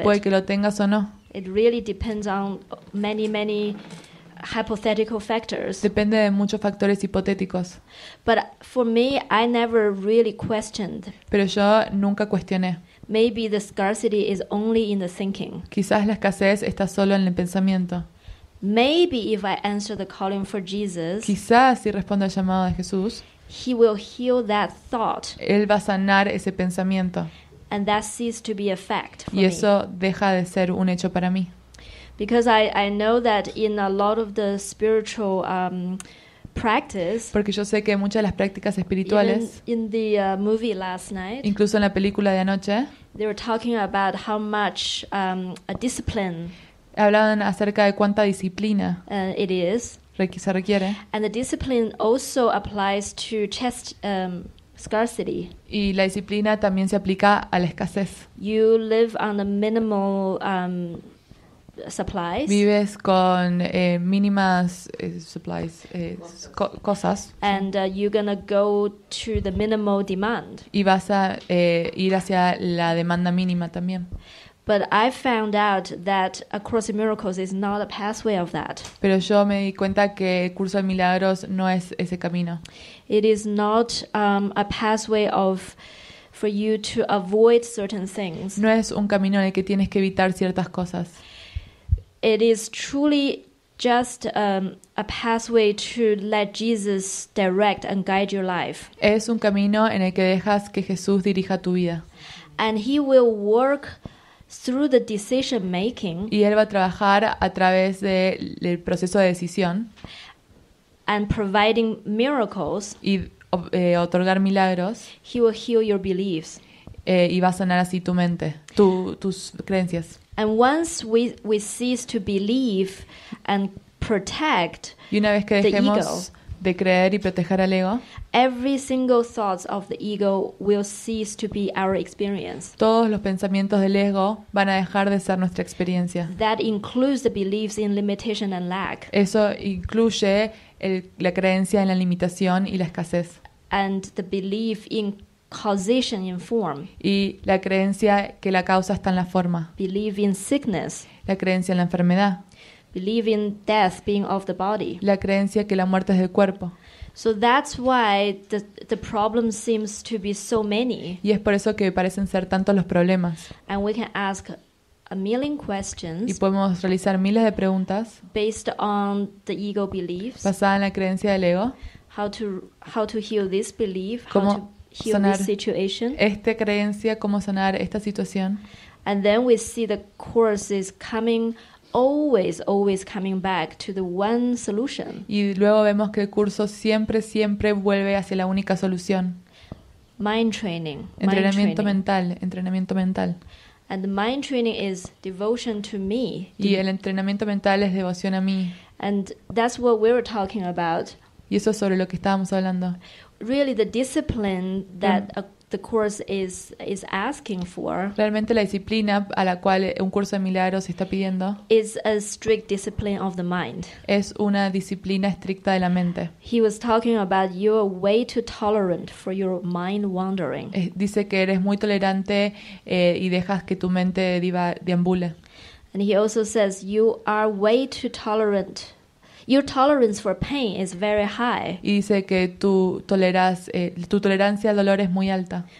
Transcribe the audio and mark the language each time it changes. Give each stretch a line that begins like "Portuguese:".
Spanish: Y puede que lo tengas o no.
English: It really depends on many, many hypothetical factors.
Spanish: Depende de muchos factores hipotéticos.
English: But for me, I never really questioned.
Spanish: Pero yo nunca cuestioné.
English: Maybe the scarcity is only in the thinking.
Spanish: Quizás la escasez está solo en el pensamiento.
English: Maybe if I answer the calling for Jesus,
Spanish: quizás si respondo al llamado de Jesús,
English: he will heal that thought.
Spanish: Él va a sanar ese pensamiento.
English: And that ceases to be a fact for me.
Spanish: Y eso deja de ser un hecho para mí.
English: Because I know that in a lot of the spiritual practice,
Spanish: porque yo sé que muchas de las prácticas espirituales,
English: in the movie last night,
Spanish: incluso en la película de anoche,
English: they were talking about how much a discipline,
Spanish: hablaban acerca de cuánta disciplina
English: it is,
Spanish: se requiere,
English: and the discipline also applies to chest scarcity.
Spanish: Y la disciplina también se aplica a la escasez.
English: You live on a minimal supplies.
Spanish: Vives con mínimas
English: supplies,
Spanish: cosas.
English: And you're gonna go to the minimal demand.
Spanish: Y vas a ir hacia la demanda mínima también.
English: But I found out that A Course in Miracles is not a pathway of that.
Spanish: Pero yo me di cuenta que el curso de milagros no es ese camino.
English: It is not a pathway of for you to avoid certain things.
Spanish: No es un camino en el que tienes que evitar ciertas cosas.
English: It is truly just a pathway to let Jesus direct and guide your life.
Spanish: Es un camino en el que dejas que Jesús dirija tu vida.
English: And he will work through the decision making.
Spanish: Y él va a trabajar a través del proceso de decisión.
English: And providing miracles.
Spanish: Y otorgar milagros.
English: He will heal your beliefs.
Spanish: Y va a sanar así tu mente, tus creencias.
English: And once we cease to believe and protect the ego.
Spanish: Y una vez que dejemos de creer y proteger al ego,
English: every single thoughts of the ego will cease to be our experience.
Spanish: Todos los pensamientos del ego van a dejar de ser nuestra experiencia.
English: That includes the beliefs in limitation and lack.
Spanish: Eso incluye la creencia en la limitación y la escasez.
English: And the belief in causation in form.
Spanish: Y la creencia que la causa está en la forma.
English: Believe in sickness.
Spanish: La creencia en la enfermedad.
English: Believe in death being of the body.
Spanish: La creencia que la muerte es del cuerpo.
English: So that's why the problem seems to be so many.
Spanish: Y es por eso que parecen ser tantos los problemas.
English: And we can ask a million questions.
Spanish: Y podemos realizar miles de preguntas.
English: Based on the ego beliefs.
Spanish: Basada en la creencia del ego.
English: How to heal this belief?
Spanish: ¿Cómo sanar esta creencia, cómo sanar esta situación?
English: And then we see the course is coming, always coming back to the one solution.
Spanish: Y luego vemos que el curso siempre vuelve hacia la única solución.
English: Mind training.
Spanish: Entrenamiento mental, entrenamiento mental.
English: And the mind training is devotion to me.
Spanish: Y el entrenamiento mental es devoción a mí.
English: And that's what we were talking about.
Spanish: Y eso es sobre lo que estábamos hablando.
English: Really, the discipline that the course is asking for.
Spanish: Realmente la disciplina a la cual un curso de milagros está pidiendo
English: is a strict discipline of the mind.
Spanish: Es una disciplina estricta de la mente.
English: He was talking about you're way too tolerant for your mind wandering.
Spanish: Dice que eres muy tolerante y dejas que tu mente deambule.
English: And he also says you are way too tolerant. Your tolerance for pain is very high.
Spanish: Y dice que tu tolerancia al dolor es muy alta.